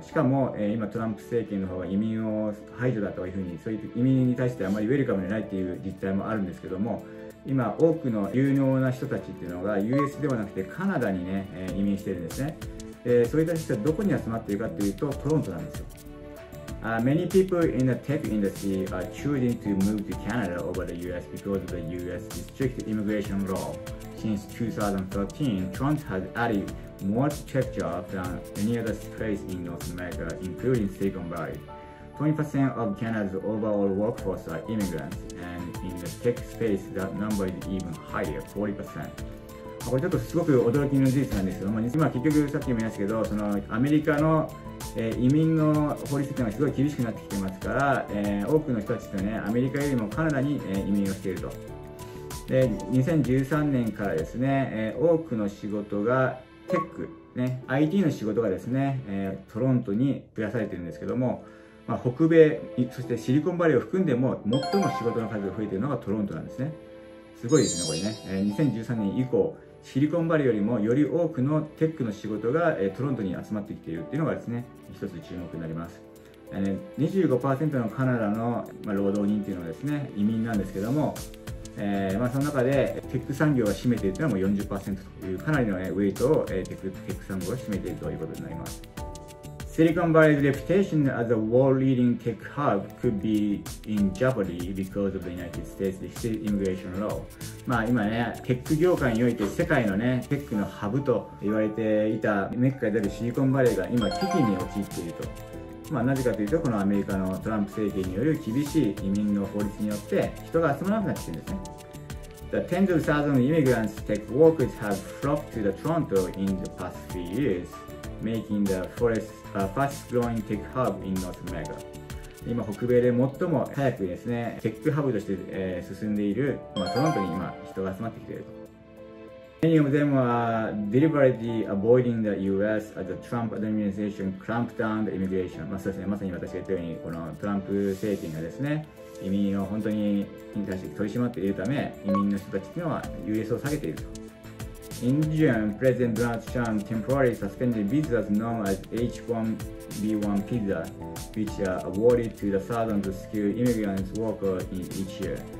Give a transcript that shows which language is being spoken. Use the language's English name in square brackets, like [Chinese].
[Japanese] しかも、今トランプ政権の方が移民を排除だというふうに、そういう移民に対してあまりウェルカムでないっていう実態もあるんですけども、今多くの有能な人たちっていうのが US ではなくてカナダにね、移民してるんですね。そういった人はどこに集まっているかというとトロントなんですよ。 [English] Many people in the tech industry are choosing to move to Canada over the US because of the US strict immigration law. Since 2013, Toronto has added more tech jobs than any other place in North America, including Silicon Valley. 20% of Canada's overall workforce are immigrants, and in the tech space, that number is even higher, 40%. [Japanese] これちょっとすごく驚きの事実なんですけども、今結局さっきも言いましたけど、そのアメリカの、移民の法律というのがすごい厳しくなってきてますから、多くの人たちってね、アメリカよりもカナダに、移民をしていると。で、2013年からですね、多くの仕事がテック、ね、IT の仕事がですね、トロントに増やされているんですけども、まあ、北米、そしてシリコンバレーを含んでも最も仕事の数が増えているのがトロントなんですね。すごいですね、これね。2013年以降、シリコンバレーよりもより多くのテックの仕事がトロントに集まってきているっていうのがですね、一つ注目になります。 25% のカナダの労働人っていうのはですね、移民なんですけども、まあ、その中でテック産業が占めているというのはもう 40% というかなりのウェイトをテック産業が占めているということになります。 [English] Silicon Valley's reputation as a world-leading tech hub could be in jeopardy because of the United States immigration law. [Japanese] まあ今ね、テック業界において世界のね、テックのハブと言われていたメッカであるシリコンバレーが今危機に陥っていると。まあなぜかというと、このアメリカのトランプ政権による厳しい移民の法律によって人が集まらなくなってきてるんですね。 [English] The tens of thousands of immigrants tech workers have flocked to the Toronto in the past few years. Making the fastest growing tech hub in North America. [Japanese] 今北米で最も早くですね、テックハブとして、進んでいる、まあ、トロントに今人が集まってきていると。 [English] Many of them are deliberately avoiding the US as the Trump administration clamped down the immigration. [Japanese] まあそうですね、まさに私が言ったように、このトランプ政権がですね、移民を本当に引退して取り締まっているため、移民の人たちというのは US を下げていると。 [English] In June, President Donald Trump temporarily suspended visas known as H-1B1 visa, which are awarded to the thousands of skilled immigrant workers in each year.